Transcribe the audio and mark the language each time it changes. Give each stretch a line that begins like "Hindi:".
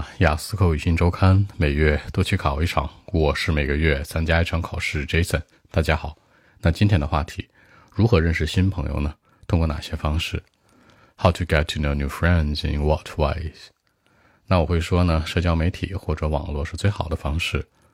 Chinese: 雅思口语新周刊每月都去考一场，我是每个月参加一场考试 Jason。大家好，那今天的话题，如何认识新朋友呢？通过哪些方式？
English: How to get to know new friends in what ways?
Chinese: 那我会说呢，社交媒体或者网络是最好的方式。